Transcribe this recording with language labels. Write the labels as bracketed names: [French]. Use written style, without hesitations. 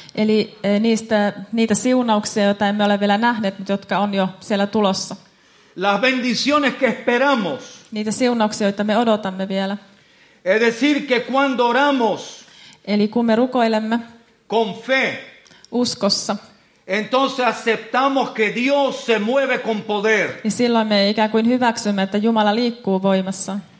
[Finnish] Eli niitä siunauksia, joita emme ole vielä nähneet, mutta jotka on jo siellä tulossa. [Spanish] Las bendiciones que esperamos. [Finnish] Niitä siunauksia, joita me odotamme vielä. [Spanish] Es decir, que cuando oramos. [Finnish] Eli kun me rukoilemme. [Spanish] Con fe. [Finnish] Uskossa. [Spanish] Entonces aceptamos que Dios se mueve con poder. [Finnish] Niin silloin me ikään kuin hyväksymme, että Jumala liikkuu voimassa.